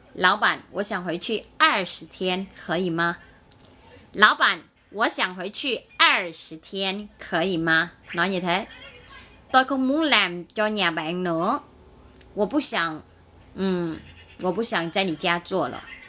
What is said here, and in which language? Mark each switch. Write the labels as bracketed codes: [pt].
[zh] Lão bản, 我想回去20天可以吗? Lão bản, 我想回去20天可以吗? [vi] Nói như thế. Tôi không muốn làm cho nhà bạn nữa. [zh] 我不想, 我不想在你家做了.